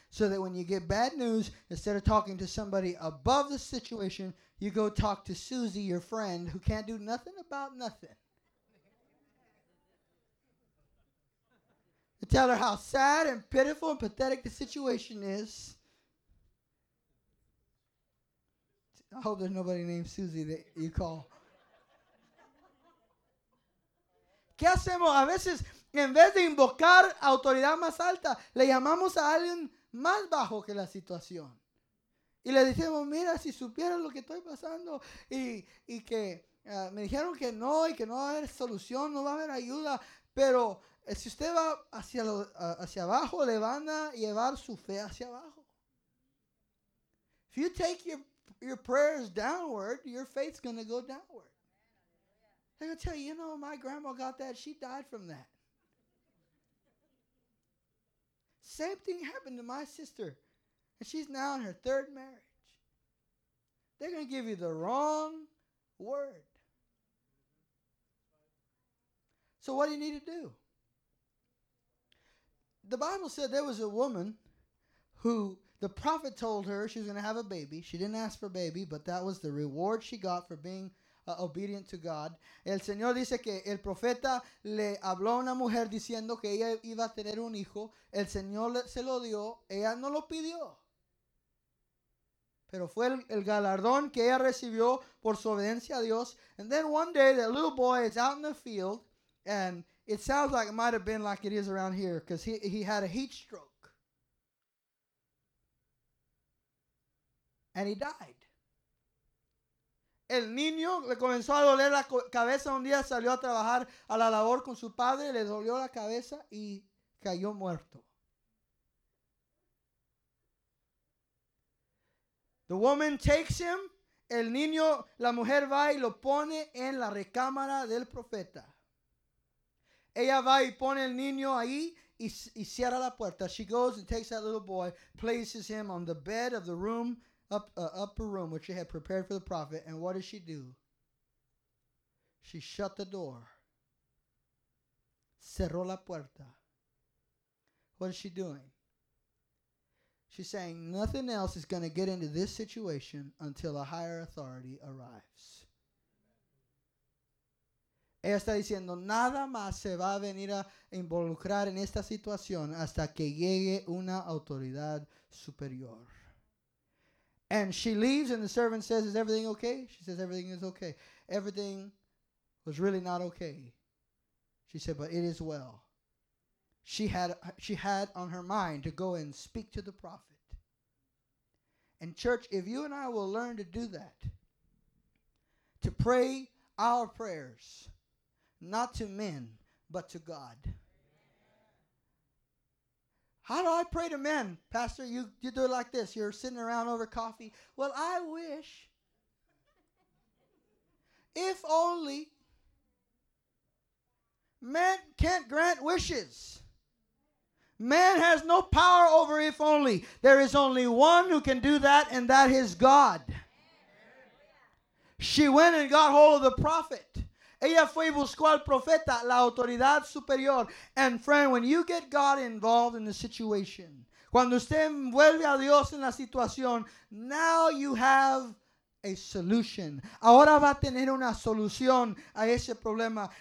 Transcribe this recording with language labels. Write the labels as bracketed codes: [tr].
[en] So that when you get bad news, instead of talking to somebody above the situation, you go talk to Susie, your friend, who can't do nothing about nothing. Tell her how sad and pitiful and pathetic the situation is. I hope there's nobody named Susie that you call. [es] ¿Qué hacemos? A veces, en vez de invocar autoridad más alta, le llamamos a alguien más bajo que la situación. Y le decimos, mira, si supieras lo que estoy pasando y que me dijeron que no y que no va a haber solución, no va a haber ayuda, pero Si usted va hacia, lo, hacia abajo, le van a llevar su fe hacia abajo. [en] If you take your prayers downward, your faith's going to go downward. They're going to tell you, you know, my grandma got that. She died from that. Same thing happened to my sister. And she's now in her third marriage. They're going to give you the wrong word. So what do you need to do? The Bible said there was a woman who the prophet told her she was going to have a baby. She didn't ask for a baby, but that was the reward she got for being obedient to God. [es] El Señor dice que el profeta le habló a una mujer diciendo que ella iba a tener un hijo. El Señor se lo dio. Ella no lo pidió. Pero fue el galardón que ella recibió por su obediencia a Dios. [en] And then one day that little boy is out in the field and it sounds like it might have been like it is around here because he had a heat stroke. And he died. [es] El niño le comenzó a doler la cabeza un día, salió a trabajar a la labor con su padre, le dolió la cabeza y cayó muerto. [en] The woman takes him. [es] El niño, la mujer va y lo pone en la recámara del profeta. Ella va y pone el niño ahí y cierra la puerta. [en] She goes and takes that little boy, places him on the bed of the room, upper room, which she had prepared for the prophet. And what does she do? She shut the door. [es] Cerró la puerta. [en] What is she doing? She's saying, nothing else is going to get into this situation until a higher authority arrives. [es] Ella está diciendo, nada más se va a venir a involucrar en esta situación hasta que llegue una autoridad superior. [en] And she leaves and the servant says, is everything okay? She says, everything is okay. Everything was really not okay. She said, but it is well. She had on her mind to go and speak to the prophet. And church, if you and I will learn to do that, to pray our prayers, not to men, but to God. How do I pray to men? Pastor, you do it like this. You're sitting around over coffee. Well, I wish. If only. Men can't grant wishes. Man has no power over if only. There is only one who can do that, and that is God. She went and got hold of the prophet. [es] Ella fue y buscó al profeta, la autoridad superior. [en] And friend, when you get God involved in the situation, [es] cuando usted envuelve a Dios en la situación, [en] now you have a solution. [es] Ahora va a tener una solución a ese problema.